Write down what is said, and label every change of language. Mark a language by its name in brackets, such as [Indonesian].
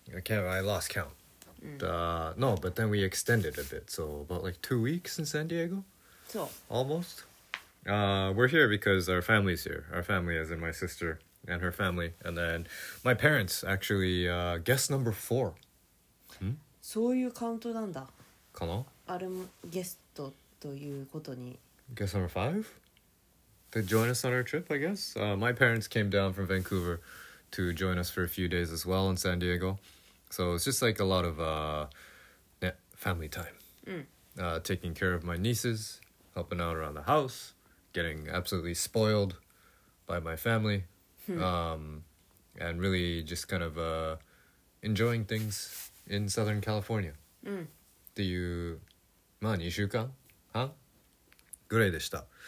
[English] I lost count、no, but then we extended a bit. So about like 2 weeks in San Diego? [Japanese] そう。 [English] Almost、we're here because our family's here. Our family, as in my sister and her family. And then my parents, actually、guest number 4、 [Japanese] そういうカウントなんだかな。あれもゲストということに。 [English] Guest number 5? To join us on our trip, I guess.、my parents came down from Vancouver to join us for a few days as well in San Diego. So it's just like a lot of、family time.、taking care of my nieces, helping out around the house, getting absolutely spoiled by my family,、and really just kind of、enjoying things in Southern California. [Japanese] っていう、まあ2週間半ぐらいでした。